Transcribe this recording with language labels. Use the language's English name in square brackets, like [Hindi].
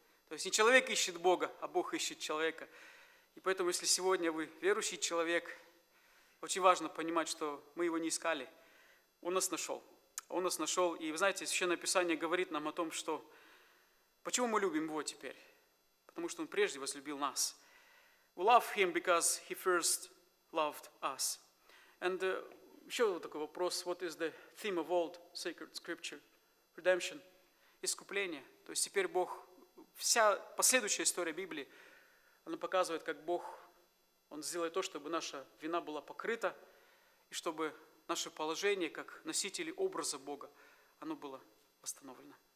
[Russian] То есть не человек ищет Бога, а Бог ищет человека. И поэтому, если сегодня вы верующий человек, очень важно понимать, что мы его не искали. Он нас нашел. он нас нашел. И вы знаете, Священное Писание говорит нам о том, что почему мы любим его теперь? Потому что он прежде возлюбил нас. [English] We love him because he first loved us. [Russian] And еще вот такой вопрос. [English] What is the theme of old sacred scripture? Redemption. Искупление. [Russian] То есть теперь Бог, вся последующая история Библии, она показывает, как Бог, он сделает то, чтобы наша вина была покрыта, и чтобы наше положение, как носители образа Бога, оно было восстановлено.